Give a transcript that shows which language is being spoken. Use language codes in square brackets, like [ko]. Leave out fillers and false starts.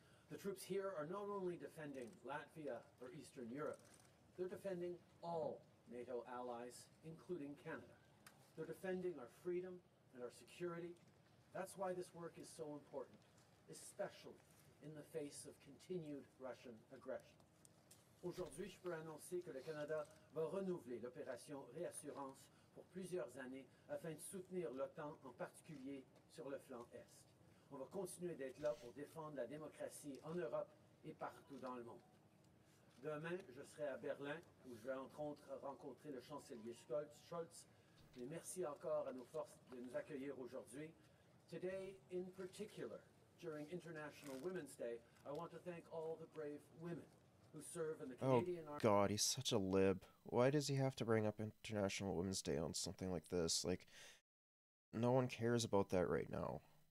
[en] The troops here are not only defending Latvia or Eastern Europe, they're defending all NATO allies, including Canada. They're defending our freedom and our security. That's why this work is so important, especially in the face of continued Russian aggression. [fr] Aujourd'hui, je peux annoncer que le Canada va renouveler l'opération Réassurance pour plusieurs années afin de soutenir l'OTAN, en particulier sur le flanc Est. On va continuer d'être là pour défendre la démocratie en Europe et partout dans le monde. Demain, je serai à Berlin où je vais entre autres rencontrer le chancelier Scholz. Mais merci encore à nos forces de nous accueillir aujourd'hui. [en] Today, in particular, during International Women's Day, I want to thank all the brave women who serve in the Oh Canadian Armed. God, he's such a lib. Why does he have to bring up International Women's Day on something like this? Like, no one cares about that right now.